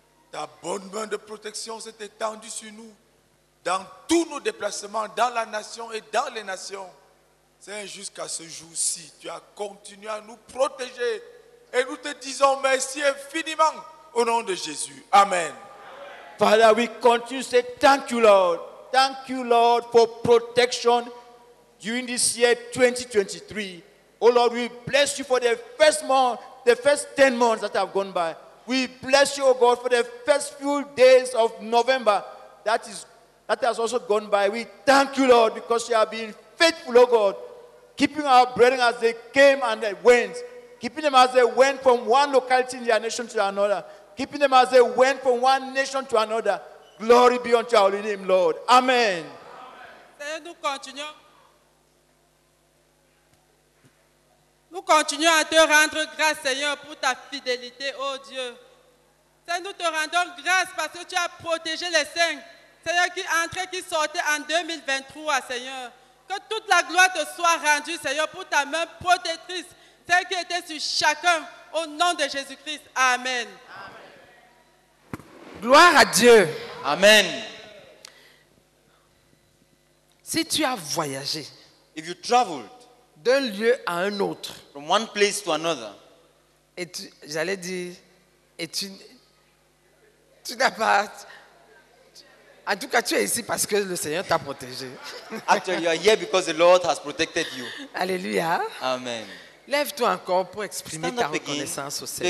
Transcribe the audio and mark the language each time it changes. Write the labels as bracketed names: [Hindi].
[French] Ta bonne main de protection s'est étendue sur nous, dans tous nos déplacements, dans la nation et dans les nations. Seigneur, jusqu'à ce jour-ci, tu as continué à nous protéger. Et nous te disons merci infiniment au nom de Jésus. Amen. [English] Father, we continue to say thank you, Lord. Thank you, Lord, for protection during this year 2023. Oh, Lord, we bless you for the first month, the first 10 months that have gone by. We bless you, oh God, for the first few days of November that has also gone by. We thank you, Lord, because you have been faithful, oh God, keeping our brethren as they came and they went, keeping them as they went from one locality in their nation to another. Keeping them as they went from one nation to another. Glory be unto your holy name, Lord. Amen. [French] Seigneur, nous continuons à te rendre grâce, Seigneur, pour ta fidélité, oh Dieu. Seigneur, nous te rendons grâce parce que tu as protégé les saints, Seigneur, qui entraient, qui sortaient en 2023, Seigneur. Que toute la gloire te soit rendue, Seigneur, pour ta main protectrice, celle qui était sur chacun, au nom de Jésus-Christ. Amen. Amen. Gloire à Dieu. Amen. Si tu as voyagé, [English] if you traveled, [French] d'un lieu à un autre, [English] from one place to another, [French] et tu, j'allais dire, et tu n'as pas... En tout cas, tu es ici parce que le Seigneur t'a protégé. [English] Actually, you are here because the Lord has protected you. [French] Alléluia. Amen. Lève-toi encore pour exprimer ta reconnaissance au Seigneur.